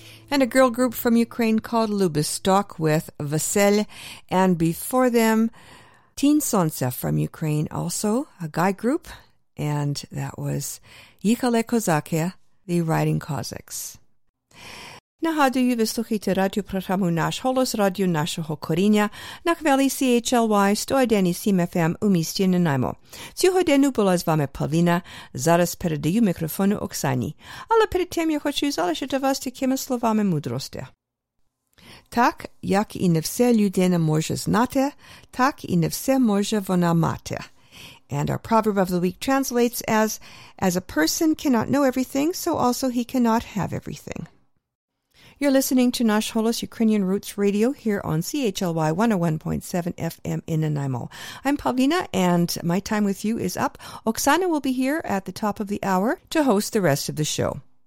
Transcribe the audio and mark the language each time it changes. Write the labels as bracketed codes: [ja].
[en] And a girl group from Ukraine called Lubistok with Vesel, and before them, Teen Sonce from Ukraine, also a guy group, and that was Yikale Kozake, the Riding Cossacks. [uk] Нагадую, ви слухаєте радіопрограму «Наш голос», радіо нашого коріння на хвилі CHLY 101.7 FM у місті Нанаймо. Цю годину була з вами Павліна. Зараз передаю мікрофон Оксані. Але перед тим я хочу залишити вас такими словами мудрості. Так, як і не все людина може знати, так і не все може вона мати. [en] And our proverb of the week translates as a person cannot know everything, so also he cannot have everything. You're listening to Nash Holos Ukrainian Roots Radio here on CHLY 101.7 FM in Nanaimo. I'm Pavlina, and my time with you is up. Oksana will be here at the top of the hour to host the rest of the show.